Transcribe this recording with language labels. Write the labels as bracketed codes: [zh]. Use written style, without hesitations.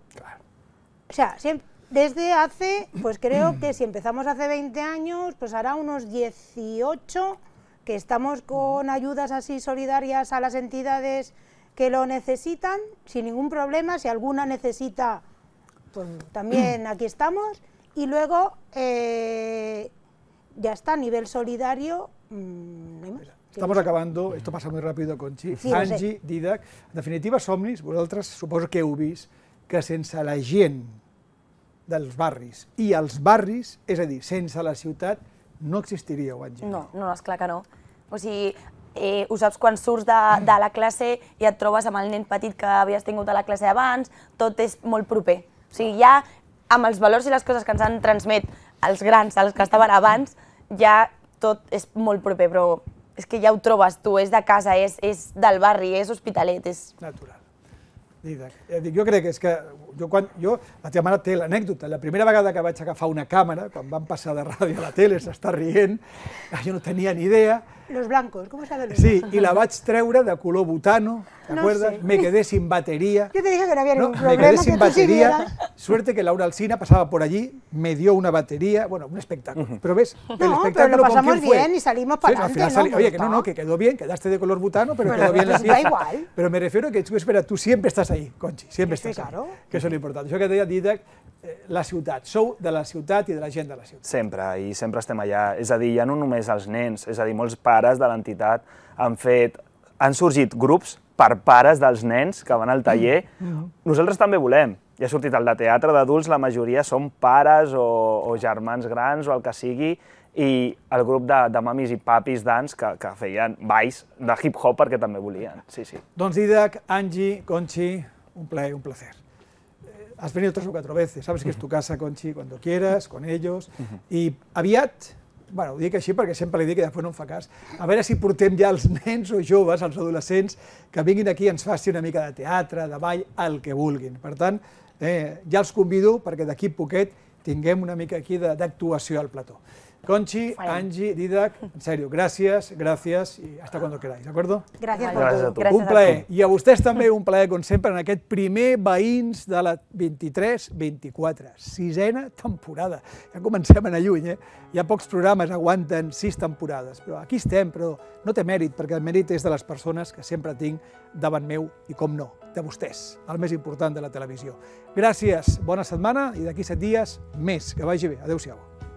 [es] Claro. O sea, desde hace, pues creo que si empezamos hace 20 años, pues hará unos 18 que estamos con ayudas así solidarias a las entidades que lo necesitan sin ningún problema, si alguna necesita, pues también aquí estamos, y luego ya está, a nivel solidario, no hay más. Estamos acabando, esto pasa muy rápido, Conchi. Sí, [ca] Angie, Didac, en definitiva, somnis, vosaltres suposo que heu vist que sense la gent dels barris i els barris, és a dir, sense la ciutat, no existiríeu, Angie. No, és clar que no. O sigui, ho saps quan surts de la classe i et trobes amb el nen petit que havies tingut a la classe abans, tot és molt proper. O sigui, ja amb els valors i les coses que ens han transmet els grans, els que estaven abans, ja tot és molt proper, però és que ja ho trobes tu, és de casa, és del barri, és hospitalet. És natural. Didac, jo crec que és que, la teva mare té l'anècdota, la primera vegada que vaig agafar una càmera, quan vam passar de ràdio a la tele, s'està rient, jo no tenia ni idea. [es] Los blancos, ¿cómo se llama? [ca] Sí, y la vaig treure de color butano, ¿t'acuerdas? [es] No sé. Me quedé sin batería. Yo te dije que no había ningún problema, me quedé sin batería. Suerte que Laura Alsina pasaba por allí, me dio una batería, bueno, un espectáculo. Pero ves, el espectáculo con quién fue. No, pero lo pasamos bien y salimos para adelante, ¿no? Al final salí, oye, que no, que quedó bien, quedaste de color butano, pero quedó bien la pieza. Da igual. Pero me refiero a que, espera, tú siempre estás ahí, Conchi, siempre estás ahí. Claro. Que eso es lo importante. Yo que te decía, [ca] Didac, la ciutat, sou de la ciutat i de la gent de la ciutat. Sempre, i sempre estem allà. És a dir, ja no només els nens, és a dir, molts pares de l'entitat han sorgit grups per pares dels nens que van al taller. Nosaltres també volem. Ja ha sortit el de teatre d'adults, la majoria són pares o germans grans o el que sigui, i el grup de mamis i papis dans que feien balls de hip-hop perquè també volien. Doncs Didac, Angie, Conchi, un plaer, [es] un placer. Has venido 3 o 4 veces, sabes que es tu casa, Conchi, cuando quieras, con ellos. [ca] Y aviat, bueno, ho dic així perquè sempre li dic que després no em fa cas, a veure si portem ja els nens o joves, els adolescents, que vinguin aquí i ens faci una mica de teatre, de ball, el que vulguin. Per tant, ja els convido perquè d'aquí poquet tinguem una mica aquí d'actuació al plató. [es] Conchi, Angie, Didac, en serio, gracias y hasta cuando queráis, ¿de acuerdo? Gracias [ca] a tu. Un plaer. Y a vostès també un plaer, com sempre, en aquest primer Veïns de la 23-24, 6ª temporada. Ja comencem a anar lluny, eh? Hi ha pocs programes, aguanten 6 temporades, però aquí estem, però no té mèrit, perquè el mèrit és de les persones que sempre tinc davant meu i, com no, de vostès, el més important de la televisió. Gràcies, bona setmana i d'aquí 7 dies més. Que vagi bé. Adéu-siau.